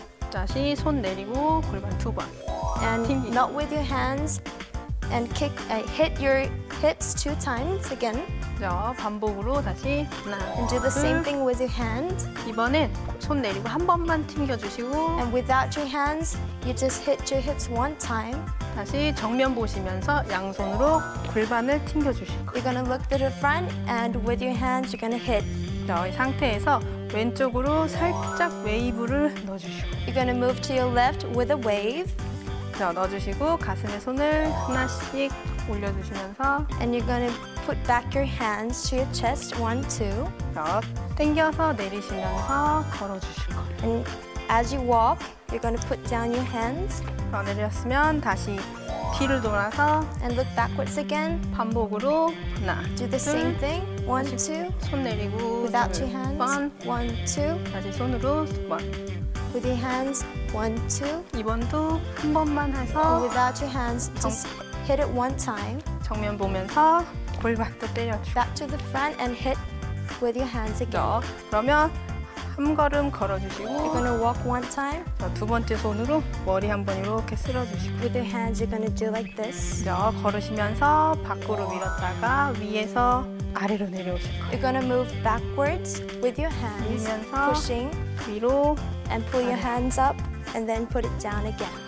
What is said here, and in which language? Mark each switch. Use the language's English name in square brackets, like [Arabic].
[Korean] 다시 손 내리고 골반 두 번. [English] And [Korean] 튕기고. [English] Not with your hands. And kick, hit your hips two times again. [Korean] 반복으로 다시 하나, [English] and do the same thing with your hand. [Korean] 이번엔 손 내리고 한 번만 튕겨주시고. [English] And without your hands, you just hit your hips one time. [Korean] 다시 정면 보시면서 양손으로 골반을 튕겨주실 거예요. [English] You're gonna look to the front, and with your hands, you're gonna hit. [Korean] 이 상태에서 왼쪽으로 살짝 웨이브를 넣어주시고. [English] You're gonna move to your left with a wave. [Korean] 넣어주시고 가슴에 손을 하나씩 올려주시면서 [English] And you're gonna put back your hands to your chest, one, two. [Korean] 당겨서 내리시면서 걸어주실 거예요. [English] And as you walk, you're gonna put down your hands. [Korean] 내렸으면 다시 뒤를 돌아서 [English] And look backwards again. [Korean] 반복으로 하나, [English] Do the [Korean] 둘. [English] same thing, one, two. [Korean] 손 내리고 [English] Without two hands, one, two. [Korean] 다시 손으로 두 번. [English] With your hands, one, two. [Korean] 이번도 한 번만 해서 [English] Without your hands, just hit it one time. [Korean] 정면 보면서 골반도 때려주고 [English] Back to the front and hit with your hands again. [Korean] 그러면 한 걸음 걸어주시고 [English] You're gonna walk one time. [Korean] 두 번째 손으로 머리 한번 이렇게 쓸어주시고 [English] With your hands, you're gonna do like this. [Korean] 걸으시면서 밖으로 밀었다가 위에서 아래로 내려오실 거예요. [English] You're gonna move backwards with your hands. [Korean] 밀면서 [English] pushing. [Korean] 위로 [English] And pull your hands up, and then put it down again.